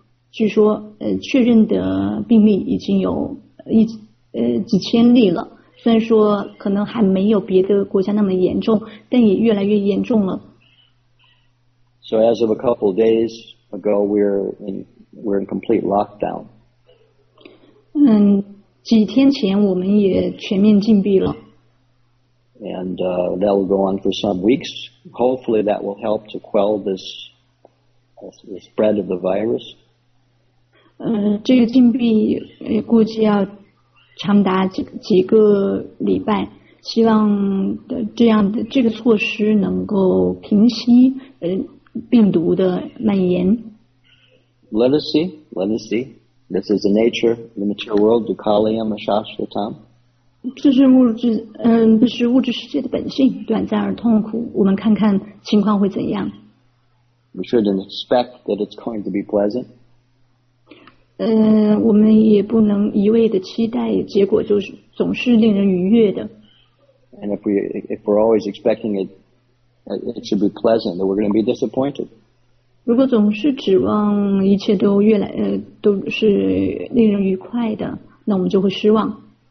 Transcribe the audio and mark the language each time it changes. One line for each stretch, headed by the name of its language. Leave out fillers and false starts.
Chinese: 据说确认的病例已经有几千例了，虽然说可能还没有别的国家那么严重，但也越来越严重了。
English: So as of a couple of days ago, we're in complete lockdown.
Chinese: 几天前我们也全面禁闭了。
English: And that will go on for some weeks. Hopefully that will help to quell this the spread of the virus.
Chinese: 这个禁闭估计要长达几个礼拜，希望这样的这个措施能够平息病毒的蔓延。
English: Let us see. This is the nature, the material world,
Sanskrit: dukkhaliyam ashashvatam.
Chinese: 这是物质世界的本性，短暂而痛苦。我们看看情况会怎样。
English: We shouldn't expect that it's going to be pleasant.
Chinese: 我们也不能一味的期待，结果就是总是令人愉悦的。
English: And if we're always expecting it should be pleasant, then we're going to be disappointed.
Chinese: 如果总是指望一切都都是令人愉快的，那我们就会失望。